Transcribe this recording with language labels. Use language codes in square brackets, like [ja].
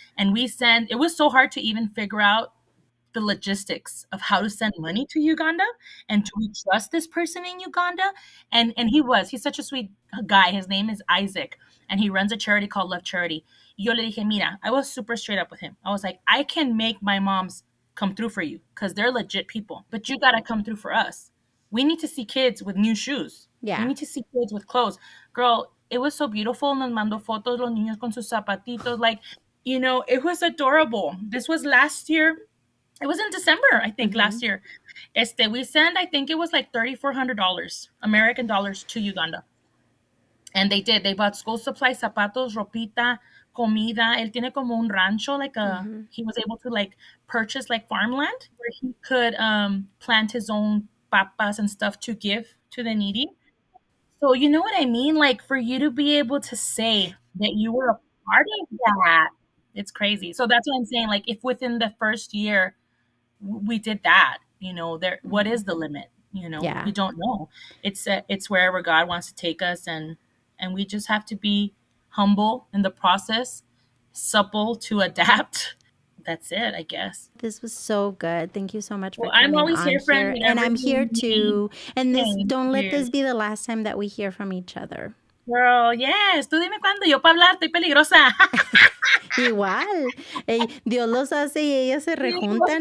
[en] And it was so hard to even figure out the logistics of how to send money to Uganda and to trust this person in Uganda. And he's such a sweet guy. His name is Isaac. and he runs a charity called Love Charity. [es] Yo le dije, mira, [en] I was super straight up with him. I was like, I can make my moms come through for you because they're legit people, but you got to come through for us. We need to see kids with new shoes. Yeah. We need to see kids with clothes. Girl, it was so beautiful. [es] Nos mandó fotos los niños con sus zapatitos. [en] Like, you know, it was adorable. This was last year. It was in December, I think, mm-hmm. last year. We sent, I think it was like $3,400 American dollars to Uganda. And they did. They bought school supplies, [es] zapatos, ropita, comida. Él tiene como un rancho, [en] like a, [es] mm-hmm. [en] he was able to like purchase like farmland where he could plant his own papas and stuff to give to the needy. So you know what I mean? Like for you to be able to say that you were a part of that, it's crazy. So that's what I'm saying. Like if within the first year we did that, you know, there, what is the limit? You know, yeah. we don't know. It's wherever God wants to take us. And we just have to be humble in the process, supple to adapt. That's it, I guess. This was so good. Thank you so much for coming on. Well, I'm always here, friend. And I'm here too. And this, don't let this be the last time that we hear from each other. Girl, yes. [es] Tú dime cuándo. Yo para hablar, estoy peligrosa. Igual. Hey, Dios los hace y ellas se rejuntan.